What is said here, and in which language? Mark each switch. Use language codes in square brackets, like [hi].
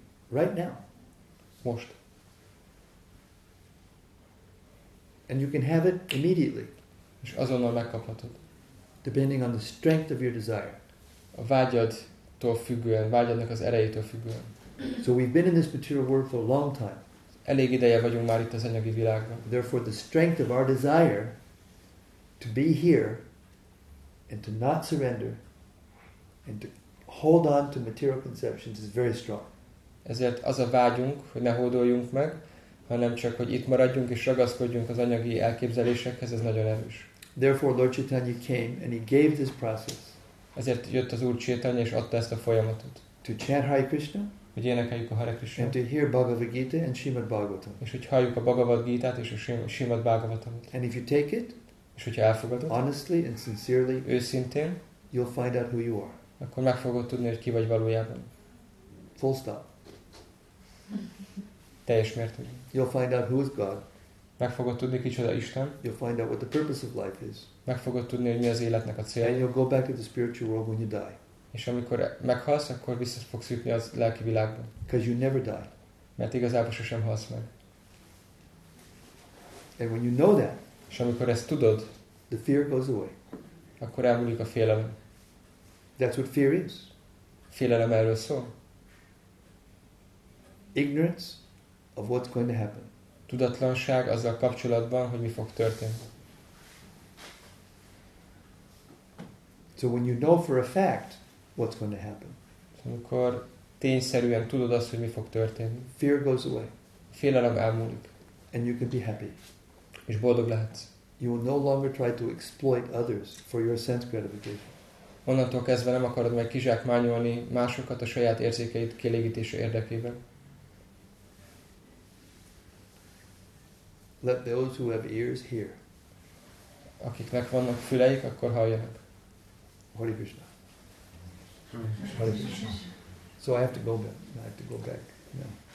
[en] Right now. [hu] Most. [en] And you can have it immediately. [hu] És azonnal megkaphatod. [en] Depending on the strength of your desire. [hu] A vágyadtól függően, vágyadnak az erejétől függően. [en] So we've been in this material world for a long time. [hu] Elég ideje vagyunk már itt az anyagi világban. [en] Therefore the strength of our desire to be here and to not surrender and to hold on to material conceptions is very strong. [hu] Ezért az a vágyunk, hogy ne hódoljunk meg, hanem csak, hogy itt maradjunk és ragaszkodjunk az anyagi elképzelésekhez, ez nagyon erős. [en] Therefore Lord Chaitanya came and he gave this process. [hu] Ezért jött az Úr Chaitanya és adta ezt a folyamatot. [en] To chant Hare Krishna. [hu] Hogy énekeljük a Hare Krishna. [en] And to hear Bhagavad Gita and Srimad Bhagavatam. [hu] És hogy halljuk a Bhagavad Gita-t és a Srimad Bhagavatamot. [en] And if you take it, [hu] és hogyha elfogadod, [en] honestly and sincerely, [hu] őszintén, [en] you'll find out who you are. [hu] Akkor meg fogod tudni, hogy ki vagy valójában. [en] Full stop. [hu] Teljes mértékben. [en] You'll find out who is God. [hu] Meg fogod tudni, kicsoda Isten. [en] You'll find out what the purpose of life is. [hu] Meg fogod tudni, hogy mi az életnek a célja. [en] And you'll go back to the spiritual world when you die. [hu] És amikor meghalsz, akkor vissza fogsz jutni az lelki világba. [en] Because you never die. [hu] Mert igazából sosem halsz meg. [en] And when you know that, [hu] és amikor ezt tudod, [en] the fear goes away. [hu] Akkor elmúlik a félelem. [en] That's what fear is. [hu] Félelem erről szól. [en] Ignorance of what's going to happen. [hu] Tudatlanság azzal kapcsolatban, hogy mi fog történni. [en] So when you know for a fact what's going to happen. [hu] Amikor tényszerűen tudod azt, hogy mi fog történni. [en] Fear goes away. [hu] Félelem elmúlik. [en] And you can be happy. [hu] És boldog lehetsz. [en] You will no longer try to exploit others for your sense gratification. [hu] Onnantól kezdve nem akarod meg kizsákmányolni másokat a saját érzékeid kielégítése érdekében. [en] Let those who have ears hear. [hu] Akiknek vannak füleik, akkor halljanak. [en] Hare Krishna. Hare Krishna. So I have to go back. Yeah.